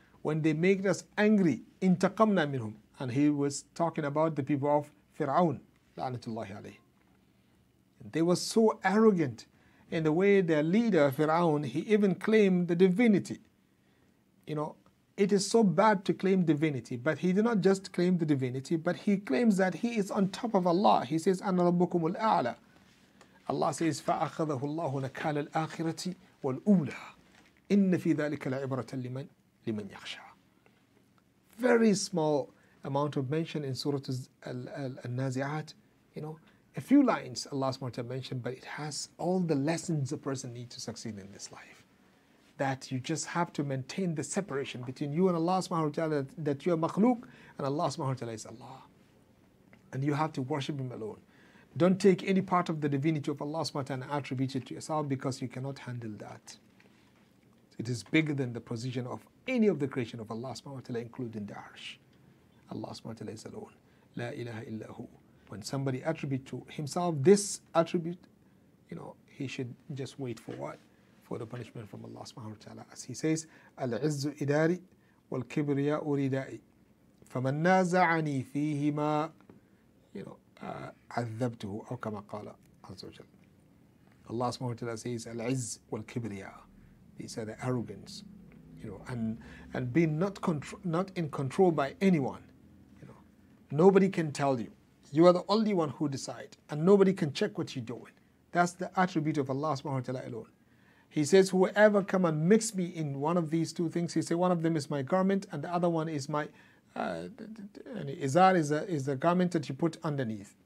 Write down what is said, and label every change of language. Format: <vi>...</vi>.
<en>When they make us angry,</en> <ar>انْتَقَمْنَا مِنْهُمْ.</ar> <en>And he was talking about the people of Fir'aun, la'anatullahi alayhi. They were so arrogant in the way their leader, Fir'aun, he even claimed the divinity. You know, it is so bad to claim divinity, but he did not just claim the divinity, but he claims that he is on top of Allah. He says,</en> <ar>أَنَا رَبُّكُمُ الْأَعْلَى.</ar> <en>Allah says,</en> <ar>فَأَخَذَهُ اللَّهُ نَكَالَ الْآخِرَةِ وَالْأُولَى إِنَّ فِي ذَلِكَ لَعِبْرَةً لِمَنْ يَخْشَى.</ar> <en>Very small amount of mention in Surah Al-Nazi'at, you know, a few lines Allah subhanahu wa ta'ala mentioned, but it has all the lessons a person needs to succeed in this life. That you just have to maintain the separation between you and Allah subhanahu wa ta'ala, that you are makhluk and Allah subhanahu wa ta'ala is Allah. And you have to worship Him alone. Don't take any part of the divinity of Allah subhanahu wa ta'ala and attribute it to yourself, because you cannot handle that. It is bigger than the position of any of the creation of Allah subhanahu wa ta'ala, including the arsh. Allah subhanahu wa ta'ala is alone. La ilaha illa hu. When somebody attributes to himself this attribute, you know, he should just wait for what? For the punishment from Allah subhanahu wa ta'ala. As he says,</en> <ar>Al-izzu idari wal-kibriya uridai. Faman naza'ani feehima,</ar> <en>you know,</en> <ar>عَذَّبْتُهُ أَوْ كَمَا قَالَ عَزَّ وَجَلَّ.</ar> <en>Allah subhanahu wa ta'ala says, Al-izz wal-kibriya. These are the arrogance, you know, and being not in control by anyone, you know. Nobody can tell you. You are the only one who decide, and nobody can check what you're doing. That's the attribute of Allah subhanahu wa ta'ala alone. He says, whoever come and mix me in one of these two things, he says, one of them is my garment, and the other one is my, izar is the garment that you put underneath.</en>